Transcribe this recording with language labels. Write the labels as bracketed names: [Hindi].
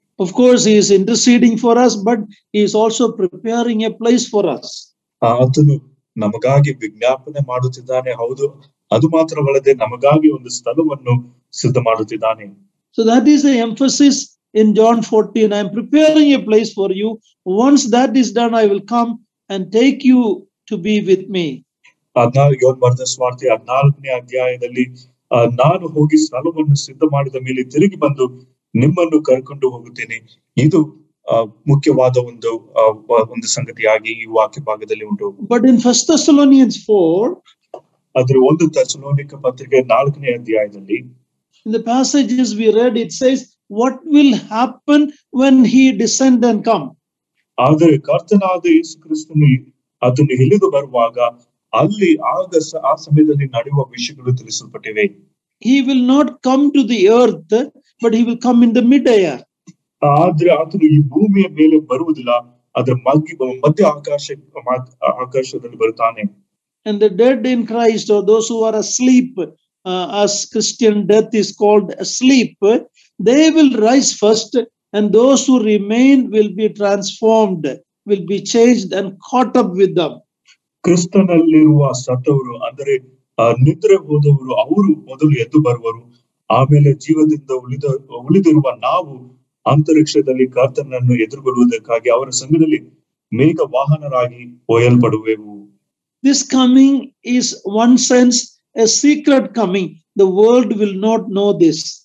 [English] Of course, he is interceding for us, but he is also preparing a place for us. [Kannada] ಆತನು ನಮಗಾಗಿ ವಿಜ್ಞಾಪನೆ ಮಾಡುತ್ತಿದ್ದಾನೆ. ಹೌದು, ಅದು ಮಾತ್ರವಲ್ಲದೆ ನಮಗಾಗಿ ಒಂದು ಸ್ಥಳವನ್ನು ಸಿದ್ಧ ಮಾಡುತ್ತಿದ್ದಾನೆ. [English] So that is the emphasis in John 14. I am preparing a place for you. Once that is done, I will come and take you to be with me. [Kannada] ಯೋನ್ ಬರೆದ ಸುವಾರ್ತೆ 14ನೇ ಅಧ್ಯಾಯದಲ್ಲಿ ನಾನು ಹೋಗಿ ಸ್ಥಳವನ್ನು ಸಿದ್ಧ ಮಾಡಿದ ಮೇಲೆ ತಿರುಗಿ ಬಂದು ನಿಮ್ಮನ್ನು ಕರ್ಕೊಂಡು ಹೋಗುತ್ತೇನೆ. ಇದು ಮುಖ್ಯವಾದ ಒಂದು ಒಂದು ಸಂಗತಿಯಾಗಿ ಈ ವಾಕ್ಯ ಭಾಗದಲ್ಲಿ ಉಂಟು. [English] but in first Thessalonians 4, [Kannada] ಅದರ ಒಂದು ಥೆಸಲೋನಿಕ ಪತ್ರಿಕೆ 4ನೇ ಅಧ್ಯಾಯದಲ್ಲಿ, [English] In the passages we read, it says what will happen when he descend and come. [Kannada] ಆದರೆ ಕರ್ತನಾದ ಯೇಸು ಕ್ರಿಸ್ತನು ಅದನ್ನು ಇಳಿದು ಬರುವಾಗ ಅಲ್ಲಿ ಆಗ ಆ ಸಮಯದಲ್ಲಿ ನಡೆಯುವ ವಿಷಯಗಳು ತಿಳಿಸಲ್ಪಟ್ಟಿವೆ. [English] He will not come to the earth, but he will come in the mid air. [Kannada] ಆದ್ರೆ ಆತನು ಈ ಭೂಮಿಯ ಮೇಲೆ ಬರುವುದಿಲ್ಲ, ಅದರ ಮಗ್ಗಿ ಮಧ್ಯ ಆಕಾಶದಲ್ಲಿ ಬರುತ್ತಾನೆ. [English] And the dead in Christ, or those who are asleep, as Christian death is called asleep, they will rise first, and those who remain will be transformed, will be changed and caught up with them. [Kannada] ಕ್ರಿಸ್ತನಲ್ಲಿರುವ ಸತ್ತವರು ಅಂದರೆ ನಿದ್ರೆ ಹೋದವರು ಅವರು ಮೊದಲು ಎದ್ದು ಬರುವರು, ಆಮೇಲೆ ಜೀವದಿಂದ ಉಳಿದಿರುವ ನಾವು ಅಂತರಿಕ್ಷದಲ್ಲಿ ಕರ್ತನನ್ನು ಎದುರುಗೊಳ್ಳುವುದಕ್ಕಾಗಿ ಅವರ ಸಂಘದಲ್ಲಿ ಮೇಘ ವಾಹನರಾಗಿ ಒಯ್ಯಲ್ಪಡುವೆವು. [English] This coming is one sense a secret coming. The world will not know this.